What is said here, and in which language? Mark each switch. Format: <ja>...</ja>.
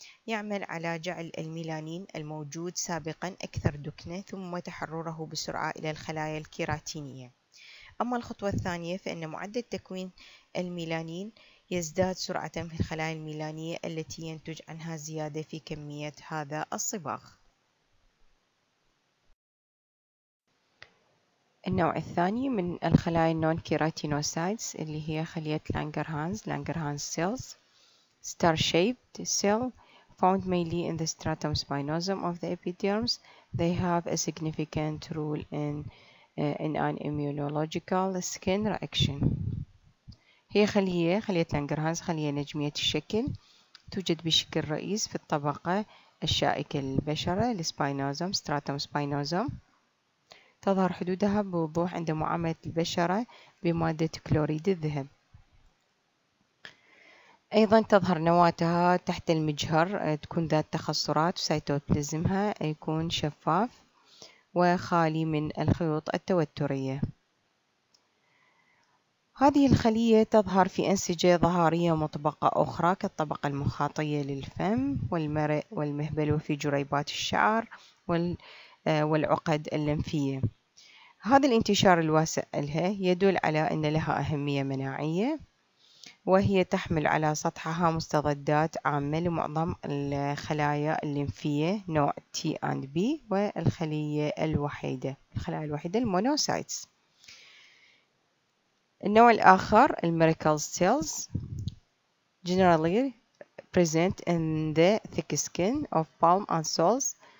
<ar>يعمل على جعل الميلانين الموجود سابقاً أكثر دكنة ثم تحرره بسرعة إلى الخلايا الكيراتينية. أما الخطوة الثانية فإن معدل تكوين الميلانين يزداد سرعة في الخلايا الميلانية التي ينتج عنها زيادة في كمية هذا الصباغ. النوع الثاني من الخلايا النون كيراتينوسايتس اللي هي خلية لانجرهانز سيلز</ar> <en>star shaped cell found mainly in the stratum spinosum of the epiderms. They have a significant role in an immunological skin reaction.</en> <ar>هي خلية لانجرهانز خلية نجمية الشكل توجد بشكل رئيس في الطبقة الشائكة للبشرة الاسبينوزوم stratum spinosum. تظهر حدودها بوضوح عند معاملة البشرة بمادة كلوريد الذهب. أيضا تظهر نواتها تحت المجهر تكون ذات تخصرات وسيتوبلازمها يكون شفاف وخالي من الخيوط التوترية. هذه الخلية تظهر في أنسجة ظهارية مطبقة أخرى كالطبقة المخاطية للفم والمرئ والمهبل وفي جريبات الشعر والعقد اللمفية. هذا الانتشار الواسع لها يدل على أن لها أهمية مناعية، وهي تحمل على سطحها مستضدات عامة لمعظم الخلايا الليمفية نوع تي اند بي والخلايا الوحيدة المونوسايتس. النوع الآخر الميريكل سيلز</ar> <en>generally present in the thick skin of palm and soles.</en>